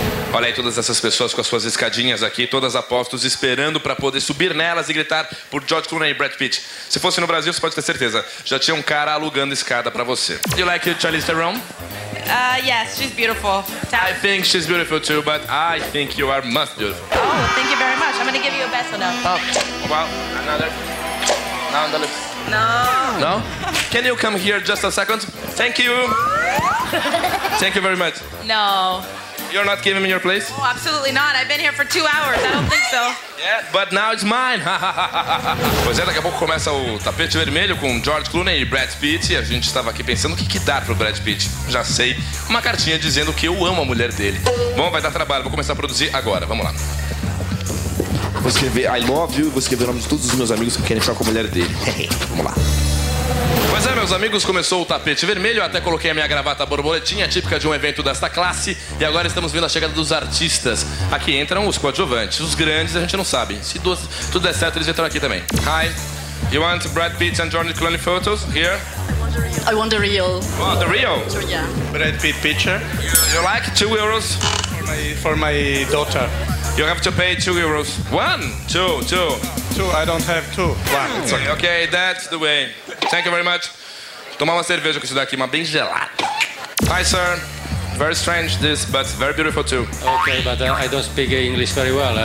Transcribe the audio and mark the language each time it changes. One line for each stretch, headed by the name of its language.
Portuguese: Olha aí todas essas pessoas com as suas escadinhas aqui, todas apostas, esperando para poder subir nelas e gritar por George Clooney e Brad Pitt. Se fosse no Brasil, você pode ter certeza, já tinha um cara alugando escada para você.
English: You like Charlize Theron? Yes, she's beautiful. I think she's beautiful too, but I think you are most beautiful. Oh, thank you very much. I'm gonna give you a beso now. Oh, well, another. Now on the lips. No. No? Can you come here just a second? Thank you. Thank you very much. No. You're not giving me your place? Oh, absolutely not. I've been here for 2 hours. I don't think so. Yeah, but now it's mine.
Portuguese: Pois é, daqui a pouco começa o tapete vermelho com George Clooney e Brad Pitt. E a gente estava aqui pensando o que, que dá pro Brad Pitt. Já sei. Uma cartinha dizendo que eu amo a mulher dele. Bom, vai dar trabalho. Vou começar a produzir agora. Vamos lá. Vou escrever
English: I love you
Portuguese: e vou escrever o nome de todos os meus amigos que querem ficar com a mulher dele. Vamos lá. Pois é, meus amigos, começou o tapete vermelho, até coloquei a minha gravata borboletinha, típica de um evento desta classe, e agora estamos vendo a chegada dos artistas. Aqui entram os coadjuvantes, os grandes a gente não sabe. Se tudo der certo, eles entram aqui também.
English: Hi, you want Brad Pitt and George Clooney photos here? I want the real. You want the real? Yeah. Brad Pitt picture. You like 2 euros? For my daughter. You have to pay 2 euros. One, two, two. I don't have two. One. Sorry. Okay, that's the way. Thank you very much.
Portuguese: Tomar uma cerveja com isso daqui, uma bem gelada.
English: Hi, sir. Very strange this, but very beautiful too. Okay, but I don't speak English very well.